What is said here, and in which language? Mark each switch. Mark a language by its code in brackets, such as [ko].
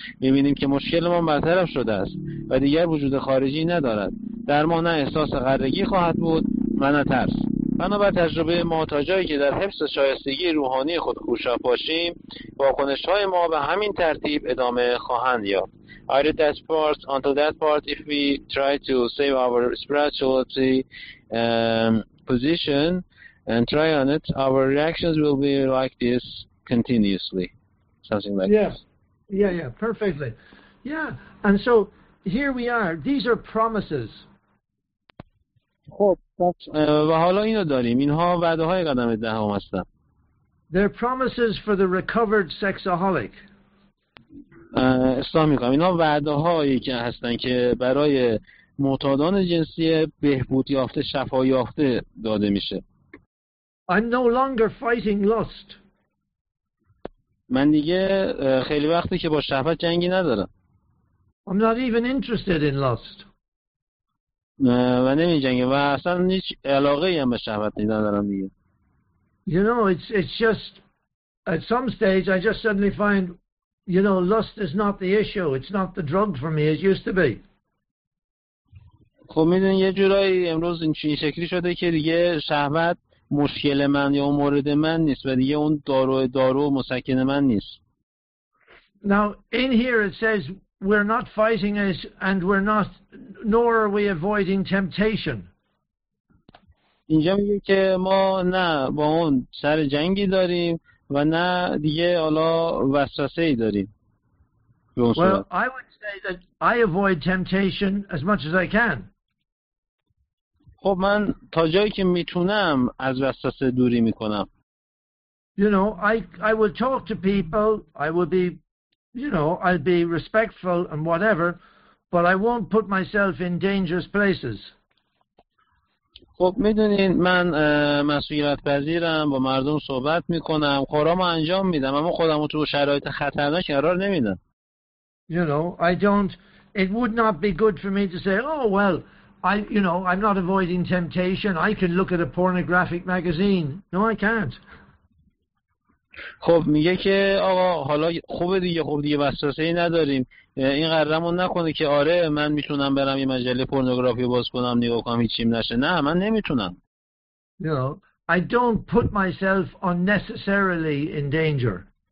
[fa] میبینیم که مشکل ما برطرف شده است و دیگر وجود خارجی ندارد. در ما نه احساس غرگی خواهد بود و نه ترس. بنابر تجربه ما، تا جایی که در حفظ شایستگی روحانی خود کوشا باشیم، واکنش های ما به همین ترتیب ادامه خواهند یافت. [en] I read that part. Until that part, if we try to save our spirituality position and try on it, our reactions will be like this continuously. Something like yes. this. Yeah, yeah, perfectly. Yeah, and so here we are. These are promises. Hope. [fa] و حالا اینو داریم. اینها وعده های قدم دهم هستن. [en] Their promises for the recovered sexaholic. [fa] اصلاح میکنم. اینها وعده هایی که هستن که برای معتادان جنسی بهبود یافته، شفا یافته داده میشه. [en] I'm no longer fighting lust. [fa] من دیگه خیلی وقته که با شهوت جنگی ندارم. [en] I'm not even interested in lust. [fa] و نمی جنگم و اصلا هیچ علاقه ای هم به شهوت ندارم دیگه. [en] You know, it's just at some stage I just suddenly find, you know, lust is not the issue. It's not the drug for me as used to be. [fa] خب میدونی یه جورایی امروز این شکلی شده که دیگه شهوت مشکل من یا مورد من نیست و دیگه اون دارو مسکن من نیست. [en] Now in here it says we're not fighting as and we're not nor are we avoiding temptation. [fa] اینجا میگه که ما نه با اون سر جنگی داریم و نه دیگه حالا وسوسه ای داریم. [en] Well, I would say that I avoid temptation as much as I can. [fa] خب من تا جایی که میتونم از وسوسه دوری میکنم. [en] You know, I will talk to people, I will be, you know, I'll be respectful and whatever, but I won't put myself in dangerous places. [fa] خب میدونین من مسئولیت پذیرم، با مردم صحبت میکنم، کارامو انجام میدم، اما خودم رو تو شرایط خطرناک قرار نمیدم. [en] You know, I don't, it would not be good for me to say, oh well, I, you know, I'm not avoiding temptation. I can look at a pornographic magazine. No, I can't. [fa] خب میگه که آقا حالا خوب دیگه وسوسه ای نداریم. این قرارمو نکنه که آره من میتونم برم یه مجله پورنوگرافی باز کنم نگاه کنم هیچیم نشه. نه من نمیتونم. [en] You know, I don't put myself unnecessarily in danger.